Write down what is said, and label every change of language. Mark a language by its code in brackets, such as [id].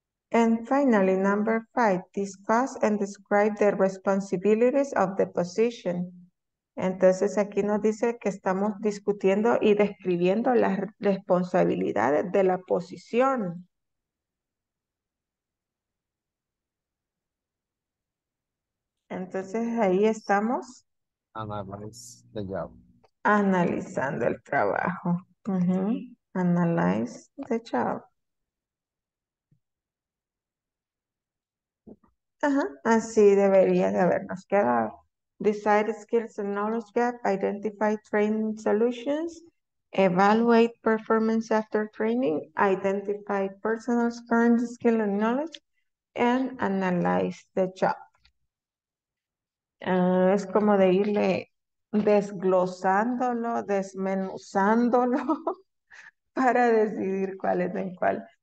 [en] And finally, number five, discuss and describe the responsibilities of the position. [es] Entonces aquí nos dice que estamos discutiendo y describiendo las responsabilidades de la posición. Entonces ahí estamos. [en] Analyze the job. [es] Analizando el trabajo. Uh-huh. [en] Analyze the job. [es] Ajá, así debería de habernos quedado. [en] Decide skills and knowledge gap, identify training solutions, evaluate performance after training, identify personal current skill and knowledge, and analyze the job. [es] Es como de irle desglosándolo, desmenuzándolo, para decidir cuál es en cuál.